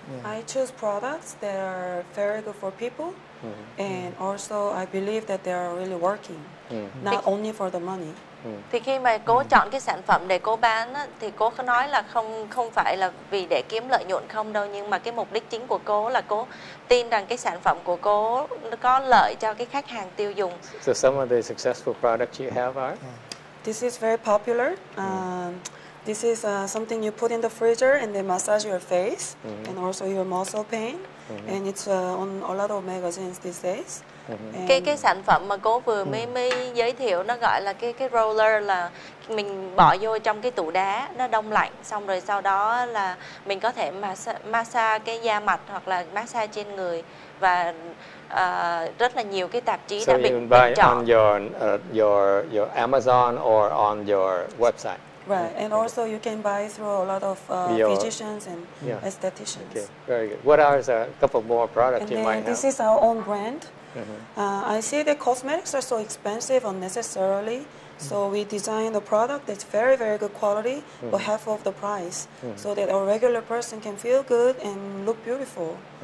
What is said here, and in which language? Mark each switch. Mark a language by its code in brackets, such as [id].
[en] I choose products that are very good for people, and also I believe that they are really working, not only for the money. [vi] Thì khi mà cô chọn cái sản phẩm để cô bán á, thì cô có nói là không phải là vì để kiếm lợi nhuận không đâu, nhưng mà cái mục đích chính của cô là cô tin rằng cái sản phẩm của cô có lợi cho cái khách hàng tiêu dùng. [en] So some of the successful products you have are? This is very popular. This is something you put in the freezer and they massage your face and also your muscle pain. And it's on a lot of magazines these days. [vi] Cái sản phẩm mà cô vừa mới giới thiệu nó gọi là cái roller, là mình bỏ vô trong cái tủ đá nó đông lạnh, xong rồi sau đó là mình có thể massage cái da mặt hoặc là massage trên người, và rất là nhiều cái tạp chí [en] so [vi] đã bình chọn. [en] So you can buy it on your Amazon or on your website. Right, and also you can buy through a lot of physicians and aestheticians. Okay, very good. What are a couple more products and you might have? This is our own brand. I see the cosmetics are so expensive unnecessarily, so we designed a product that's very, very good quality for half of the price, so that a regular person can feel good and look beautiful.